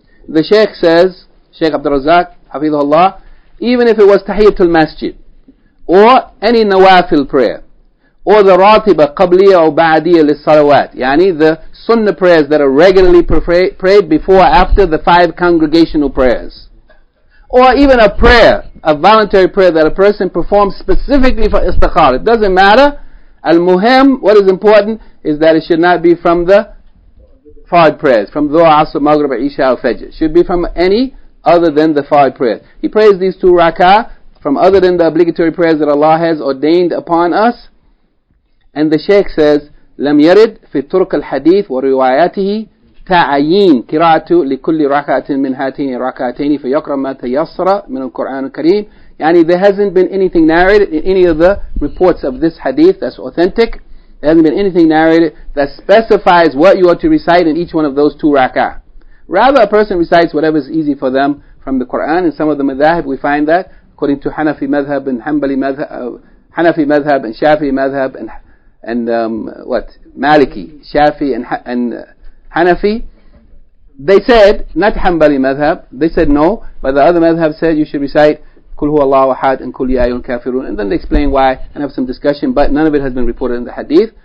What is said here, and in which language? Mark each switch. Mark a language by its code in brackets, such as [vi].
[en] The Shaykh says, Shaykh Abdul Razak [ar] حفظه الله, [en] even if it was tahiyatul masjid or any nawafil prayer or the ratiba qabliya or ba'diya lis-salawat, yani the sunnah prayers that are regularly prayed before or after the five congregational prayers, or even a prayer, a voluntary prayer that a person performs specifically for istikhara. It doesn't matter. Al-muhim, what is important, is that it should not be from the fard prayers, from Dhuha, Asr, Maghrib, Isha, or Fajr. It should be from any other than the fard prayers. He prays these two rak'ah from other than the obligatory prayers that Allah has ordained upon us. And the Shaykh says, [ar] لَمْ يَرِدْ فِي تُرْكَ الْحَدِيثِ وَرِوَايَاتِهِ تعيين قراءة لكل ركعة من هاتين ركعتين فيقرأ ما تيسر من القرآن الكريم. [en] يعني there hasn't been anything narrated in any of the reports of this hadith that's authentic. There hasn't been anything narrated that specifies what you are to recite in each one of those two rak'ah. Rather, a person recites whatever is easy for them from the Quran. In some of the madhahib, we find that according to Hanafi madhab and Hanbali madhab, Hanafi madhab and Shafi madhab and Maliki, Shafi, and Hanafi, they said, not Hanbali madhab, they said no, but the other madhab said you should recite Kul Huwa Allahu Ahad and Kul Ya Ayyuhal Kafirun, and then they explain why and have some discussion, but none of it has been reported in the hadith.